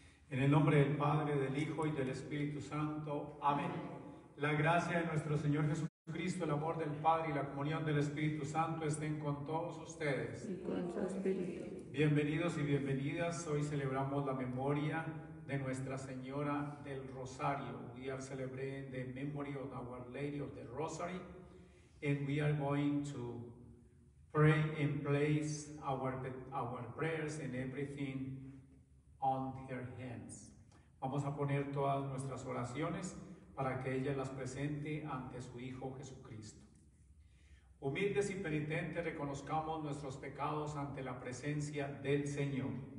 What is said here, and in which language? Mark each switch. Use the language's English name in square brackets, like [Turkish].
[Spanish] En el nombre del Padre, del Hijo y del Espíritu Santo. Amén. La gracia de nuestro Señor Jesucristo, el amor del Padre y la comunión del Espíritu Santo estén con todos ustedes. Y con su espíritu. Bienvenidos y bienvenidas. Hoy celebramos la memoria de Nuestra Señora del Rosario. [English] We are celebrating the memory of Our Lady of the Rosary. And we are going to pray and place our prayers and everything on her hands. [Spanish] Vamos a poner todas nuestras oraciones para que ella las presente ante su Hijo Jesucristo. Humildes y penitentes, reconozcamos nuestros pecados ante la presencia del Señor.